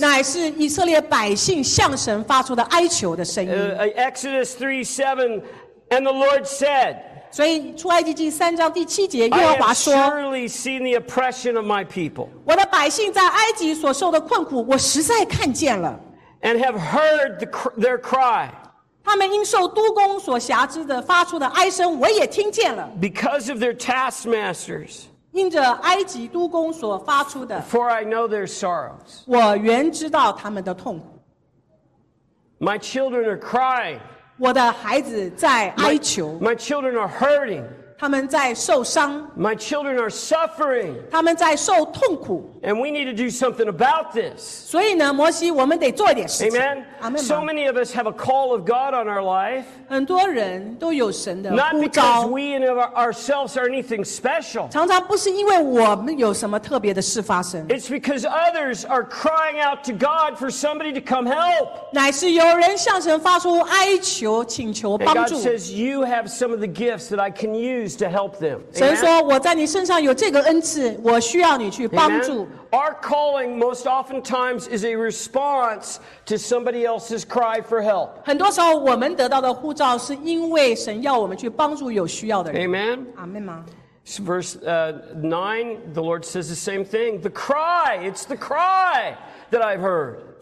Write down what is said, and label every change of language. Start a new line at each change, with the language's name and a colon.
Chinese: 乃是以色列百姓向神发出的哀求的声音。
English: Exodus 3:7, and the Lord said.
Chinese: 所以出埃及记三章第七节，耶和华说。
English: I have surely seen the oppression of my people.
Chinese: 我的百姓在埃及所受的困苦，我实在看见了。
English: and have heard their cry.
Chinese: 他们因受督工所辖制的发出的哀声，我也听见了。
English: Because of their taskmasters.
Chinese: 因着埃及督工所发出的,
English: For I know their sorrows.
Chinese: 我原知道他们的痛苦。
English: My children are crying.
Chinese: 我的孩子在哀求。
English: My children are hurting.
Chinese: 他们在受伤。
English: My children are suffering.
Chinese: 他们在受痛苦。
English: And we need to do something about this.
Chinese: 所以呢，摩西，我们得做一点事情。
English: Amen. So many of us have a call of God on our life.
Chinese: 很多人都有神的呼召。
English: Not because we and of ourselves are anything special.
Chinese: 常常不是因为我们有什么特别的事发生。
English: It's because others are crying out to God for somebody to come help.
Chinese: 乃是有人向神发出哀求，请求帮助。
English: And God says you have some of the gifts that I can use to help them.
Chinese: 神说我在你身上有这个恩赐，我需要你去帮助。
English: Our calling most oftentimes is a response to somebody else's cry for help.
Chinese: 很多时候我们得到的呼召是因为神要我们去帮助有需要的人。
English: Amen. Amen. Verse 9, the Lord says the same thing. The cry, it's the cry that I've heard.